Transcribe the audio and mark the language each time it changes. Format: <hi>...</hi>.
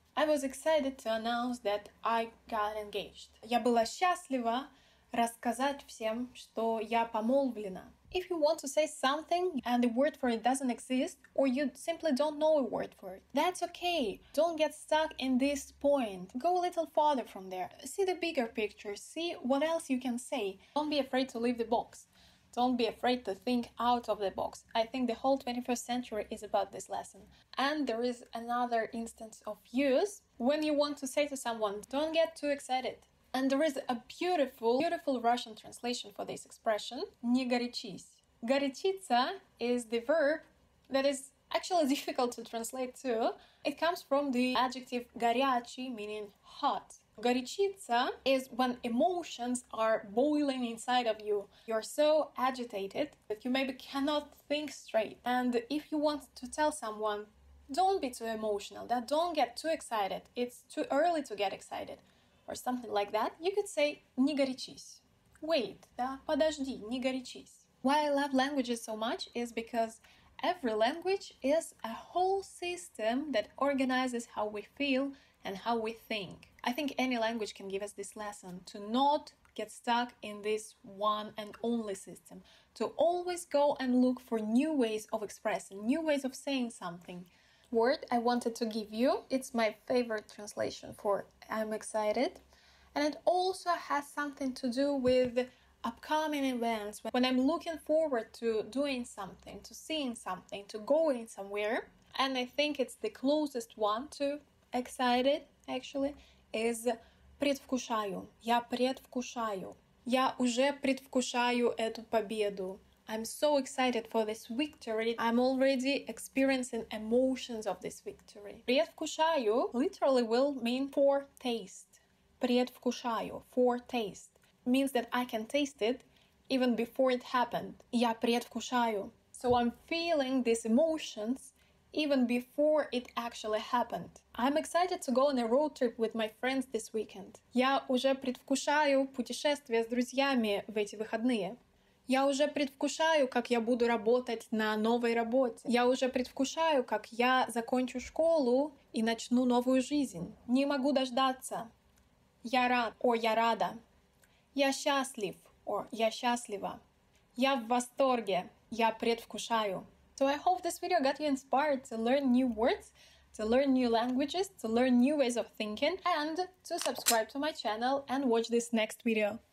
<en>I was excited to announce that I got engaged.</en> <ru>Я была счастлива рассказать всем, что я помолвлена.</ru> <en>If you want to say something and the word for it doesn't exist, or you simply don't know a word for it, that's okay. Don't get stuck in this point. Go a little farther from there. See the bigger picture. See what else you can say. Don't be afraid to leave the box. Don't be afraid to think out of the box. I think the whole 21st century is about this lesson. And there is another instance of use. When you want to say to someone, don't get too excited. And there is a beautiful, beautiful Russian translation for this expression.</en> <ru>Не горячись.</ru> <en>Горячиться is the verb that is actually difficult to translate to. It comes from the adjective горячий, meaning hot. Горячиться is when emotions are boiling inside of you. You're so agitated that you maybe cannot think straight. And if you want to tell someone, don't be too emotional, that don't get too excited. It's too early to get excited. Or something like that, you could say</en> <ru>не горячись.</ru> <en>Wait,</en> <ru>да, подожди, не горячись.</ru> <en>Why I love languages so much is because every language is a whole system that organizes how we feel and how we think. I think any language can give us this lesson to not get stuck in this one and only system, to always go and look for new ways of expressing, new ways of saying something. Word I wanted to give you, it's my favorite translation for I'm excited, and it also has something to do with upcoming events. When I'm looking forward to doing something, to seeing something, to going somewhere, and I think it's the closest one to excited, actually, is предвкушаю.</en> <ru>Я предвкушаю. Я уже предвкушаю эту победу.</ru> <en>I'm so excited for this victory. I'm already experiencing emotions of this victory. Предвкушаю literally will mean for taste. Предвкушаю, for taste. Means that I can taste it even before it happened.</en> <ru>Я предвкушаю.</ru> <en>So I'm feeling these emotions even before it actually happened. I'm excited to go on a road trip with my friends this weekend.</en> <ru>Я уже предвкушаю путешествие с друзьями в эти выходные. Я уже предвкушаю, как я буду работать на новой работе. Я уже предвкушаю, как я закончу школу и начну новую жизнь. Не могу дождаться. Я рад, о, я рада. Я счастлив, о, я счастлива. Я в восторге, я предвкушаю.</ru> <en>So I hope this video got you inspired to learn new words, to learn new languages, to learn new ways of thinking, and to subscribe to my channel and watch this next video.</en>